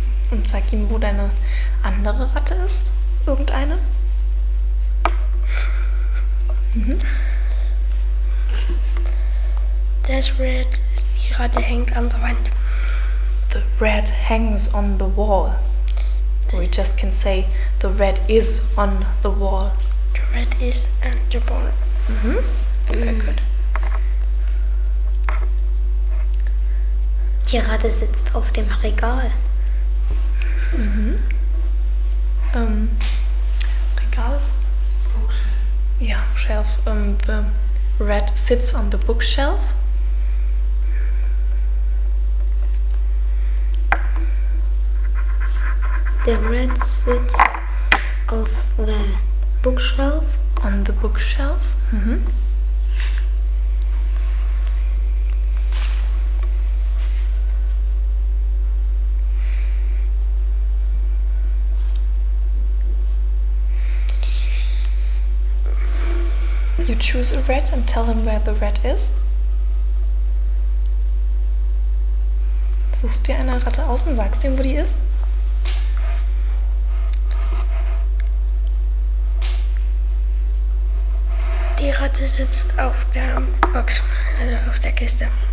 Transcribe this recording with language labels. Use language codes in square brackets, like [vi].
[de] Und zeig ihm, wo deine andere Ratte ist. Irgendeine? Das Rat, die Ratte hängt an der Wand. [en] The rat hangs on the wall. Or we just can say, the rat is on the wall. The rat is on the wall. Very good. [de] Die Ratte sitzt auf dem Regal. Regals? [en] Bookshelf. Yeah, shelf. The rat sits on the bookshelf. The rat sits off the bookshelf. On the bookshelf. You choose a rat and tell him where the rat is. [de] Suchst dir eine Ratte aus und sagst ihm, wo die ist? Die Ratte sitzt auf der Box, also auf der Kiste.